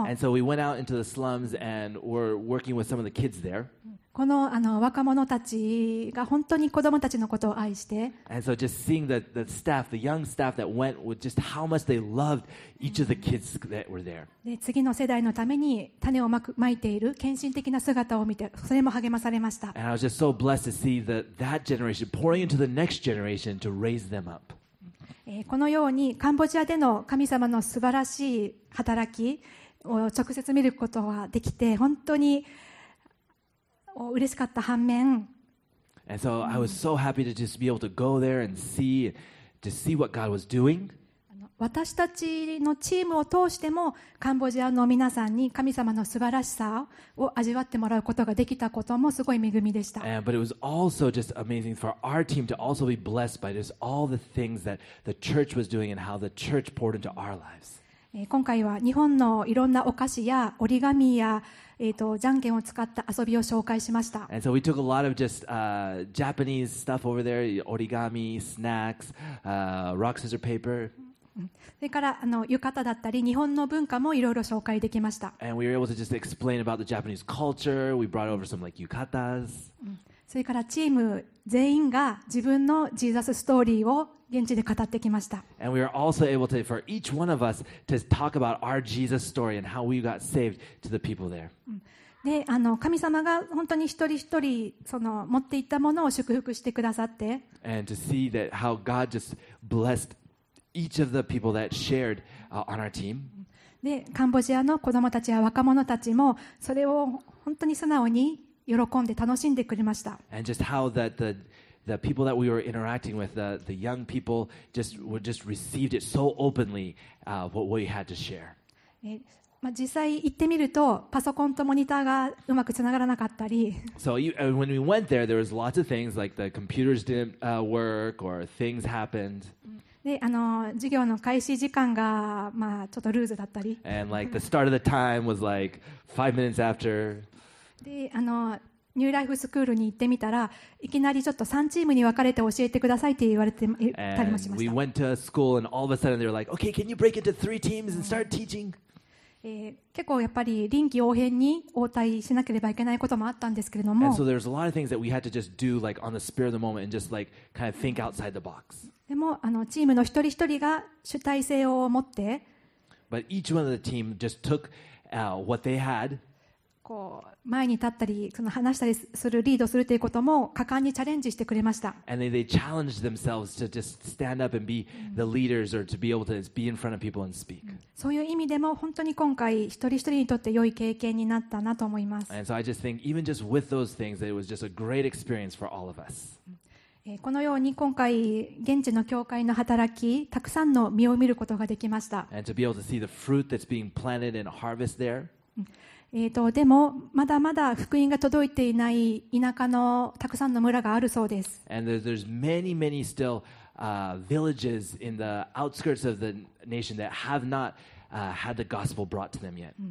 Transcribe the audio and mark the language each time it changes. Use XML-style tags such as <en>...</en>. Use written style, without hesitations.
<en>And so we went out into the slums and were working with some of the kids there.</en> <ja>この、 あの若者たちが本当に子どもたちのことを愛して、</ja> <en>and so just seeing the staff, the young staff that went with just how much they loved each of the kids that were there.</en> <ja>で次の世代のために種をまいている献身的な姿を見て、それも励まされました。</ja> <en>And I was just so blessed to see that generation pouring into the next generation to raise them up.</en> <ja>このようにカンボジアでの神様の素晴らしい働きを直接見ることができて、本当に嬉しかった反面、</ja> <en>and so I was so happy to just be able to go there and see, to see what God was doing.</en> <ja>私たちのチームを通してもカンボジアの皆さんに神様の素晴らしさを味わってもらうことができたこともすごい恵みでした。</ja> <en>But it was also just amazing for our team to also be blessed by just all the things that the church was doing and how the church poured into our lives.</en> <ja>今回は日本のいろんなお菓子や折り紙や、じゃんけんを使った遊びを紹介しました。</ja> <en>And so we took a lot of just, Japanese stuff over there, 折り紙、スナックス、rock, scissors, paper.</en> <ja>それから浴衣だったり日本の文化もいろいろ紹介できました。</ja> <en>And we were able to just explain about the Japanese culture. We brought over some like yukatas.</en> <ja>それからチーム全員が自分のジーザスストーリーを現地で語ってきました。</ja> <en>And we are also able to, for each one of us, to talk about our Jesus story and how we got saved to the people there.</en> <ja>で、神様が本当に一人一人その持っていったものを祝福してくださって。</ja> <en>And to see that how God just blessed each of the people that shared, on our team.</en> <ja>で、カンボジアの子どもたちや若者たちもそれを本当に素直に喜んで楽しんでくれました。</ja> <en>And just how that the the people that we were interacting with, the young people just received it so openly, what we had to share.</en> <ja>実際行ってみるとパソコンとモニターがうまくつながらなかったり。</ja> <en>So when we went there, there was lots of things like the computers didn't work or things happened.</en> <ja>で、授業の開始時間がちょっとルーズだったり。</ja> <en>And like the start of the time was like 5 minutes after.</en> <ja>で、ニューライフスクールに行ってみたらいきなりちょっと3チームに分かれて教えてくださいって言われてたりもしました。</ja> <en>And we went to a school and all of a sudden they were like, okay, can you break into three teams and start teaching?</en> <ja>結構やっぱり臨機応変に応対しなければいけないこともあったんですけれども。</ja> <en>And so there's a lot of things that we had to just do like on the spur of the moment and just like kind of think outside the box.</en> <ja>でもチームの一人一人が主体性を持って。</ja> <en>But each one of the team just took what they had.</en> <ja>前に立ったり、その話したりする、リードするということも果敢にチャレンジしてくれました。</ja> <en>And they challenged themselves to just stand up and be the leaders or to be able to be in front of people and speak.</en> <ja>そういう意味でも本当に今回一人一人にとって良い経験になったなと思います。</ja> <en>And so I just think even just with those things, it was just a great experience for all of us.</en> <ja>このように今回現地の教会の働き、たくさんの実を見ることができました。</ja> <en>And to be able to see the fruit that's being planted and harvest there.</en> <ja>でもまだまだ福音が届いていない田舎のたくさんの村があるそうです。</ja> <en>And there's many, many still, villages in the outskirts of the nation that have not, had the gospel brought to them yet.</en>